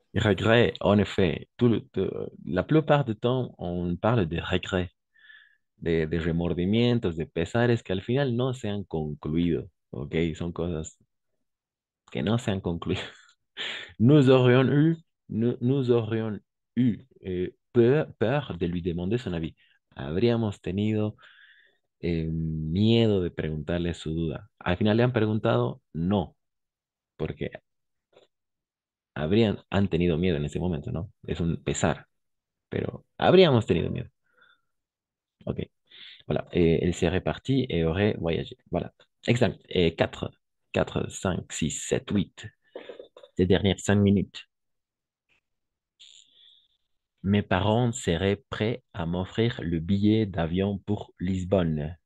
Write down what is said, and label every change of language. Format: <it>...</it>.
<fr>Regret, en effet, la plupart du temps, on parle de regret.</fr> <es>De remordimientos, de pesares que al final no se han concluido, ¿ok? Son cosas que no se han concluido.</es> <fr>Nous aurions eu peur de lui demander son avis.</fr> <es>Habríamos tenido miedo de preguntarle su duda. Al final le han preguntado no, porque han tenido miedo en ese momento, ¿no? Es un pesar, pero habríamos tenido miedo. ¿Ok?</es> <fr>Voilà, et elle serait partie et aurait voyagé. Voilà, exact. Et 4, 4, 5, 6, 7, 8, ces dernières 5 minutes. Mes parents seraient prêts à m'offrir le billet d'avion pour Lisbonne.</fr>